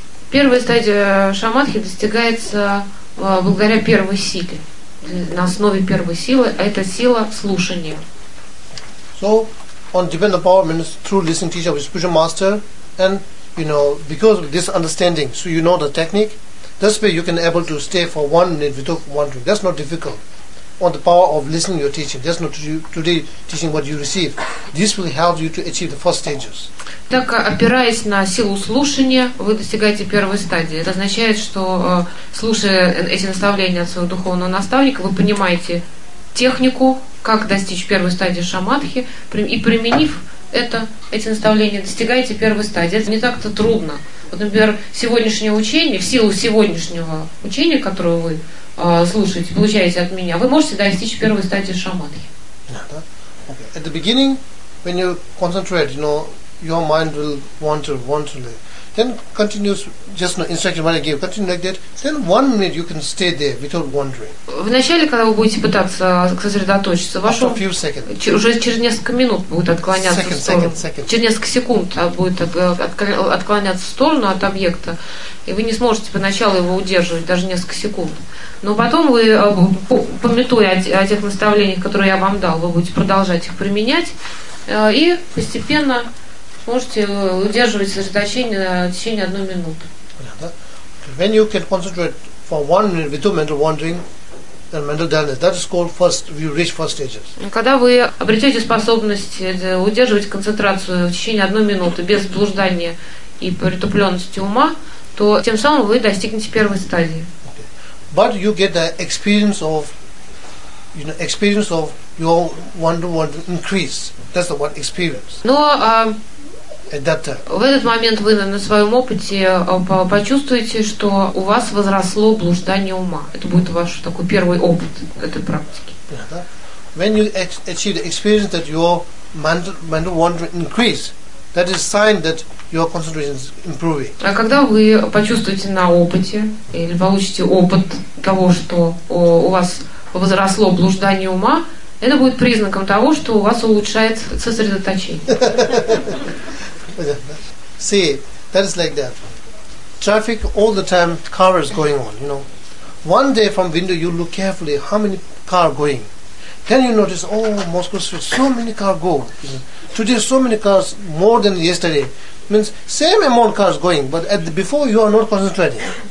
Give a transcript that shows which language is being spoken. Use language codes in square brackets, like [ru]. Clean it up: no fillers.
[ru] Первая стадия шамадхи достигается благодаря первой силе. На основе первой силы, а это сила слушания. [en] So, on dependent power means through listening teacher of spiritual master, and you know, because of this understanding, so you know the technique, that's where you can able to stay for 1 minute without wandering. That's not difficult. On the power of listening your teaching, that's not today teaching what you receive. This will help you to achieve the first stages. [ru] Так, опираясь на силу слушания, вы достигаете первой стадии. Это означает, что слушая эти наставления от своего духовного наставника, вы понимаете технику, как достичь первой стадии шамадхи, и применив эти наставления, достигаете первой стадии. Это не так-то трудно. Вот, например, сегодняшнее учение, в силу сегодняшнего учения, которое вы слушаете, получаете от меня, вы можете достичь первой стадии шамадхи. [en] At the beginning, when you concentrate, you know, your mind will wander wantonly. Then continues just no instruction what I gave, continue like that. Then 1 minute you can stay there without wandering. [ru] Вначале, когда вы будете пытаться сосредоточиться, вашу уже через несколько минут будет отклоняться [en] second, [ru] в сторону. [en] Second. [ru] Через несколько секунд будет отклоняться в сторону от объекта, и вы не сможете поначалу его удерживать даже несколько секунд. Но потом вы, пометуя о тех наставлениях, которые я вам дал, вы будете продолжать их применять, и постепенно можете удерживать сосредоточение в течение одной минуты. [en] When you can concentrate for 1 minute with mental wandering and mental dullness, that is called first, you reach first stages. [ru] Когда вы обретете способность удерживать концентрацию в течение одной минуты без блуждания и притупленности ума, то тем самым вы достигнете первой стадии. [en] But you get the experience of, you know, experience of your wonder increase. That's the one experience. [ru] Но [en] at that time. [ru] В этот момент вы на своем опыте почувствуете, что у вас возросло блуждание ума. Это будет ваш такой первый опыт этой практики. Yeah. [en] When you achieve the experience that your mind wandering increase, that is sign that your concentration is improving. [ru] А когда вы почувствуете на опыте или получите опыт того, что у вас возросло блуждание ума, это будет признаком того, что у вас улучшается сосредоточение. [en] See, that is like that. Traffic all the time, car is going on, you know. One day from window you look carefully how many car going. Then you notice, oh, Moscow Street, so many cars go. Today so many cars, more than yesterday. Means same amount of cars going, but at the, before you are not concentrating.